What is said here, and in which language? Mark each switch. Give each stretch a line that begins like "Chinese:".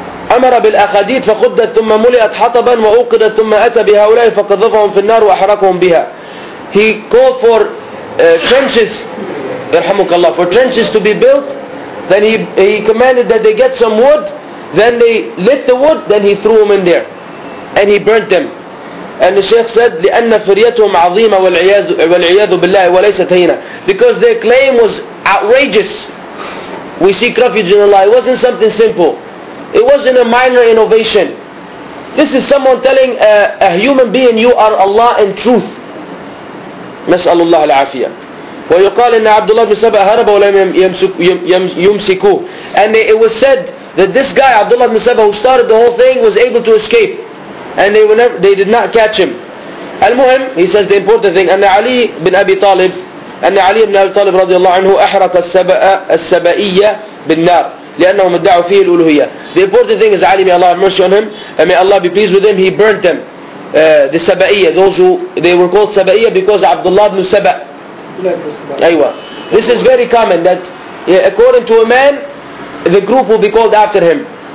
Arabic: أمر بالأخاديد فخدت ثم ملئت حطبا وأوقدت ثم أتى بهؤلاء فقذفهم في النار وأحرقهم بها.
English: He called for trenches,
Arabic: رحمك الله,
English: for trenches to be built. Then he commanded that they get some wood. Then they lit the wood. Then he threw them in there, and he burnt them. And the Shaykh said,
Arabic: لأن فريتهم عظيمة والعياذ بالله وليست هينة.
English: Because their claim was outrageous. We seek refuge in Allah. It wasn't something simple. It wasn't a minor innovation. This is someone telling a human being, you are Allah in truth.
Arabic: نسأل الله العافية. ويقال إن عبد الله بن سبأ هرب ولم يمسكوه.
English: And it was said that this guy, Abdullah بن سبأ, who started the whole thing, was able to escape. And they did not catch him.
Arabic: المهم,
English: he says the important thing,
Arabic: أن علي بن أبي طالب, أن علي بن أبي طالب رضي الله عنه أحرق السبائية بالنار لأنهم ادعوا فيه الألوهية.
English: The important thing is Ali, may Allah have mercy on him, and may Allah be pleased with him, he burnt them. The سبائية, those who, they were called سبائية because Abdullah بن سبأ.
Arabic: أيوة.
English: This is very common that according to a man, the group will be called after him.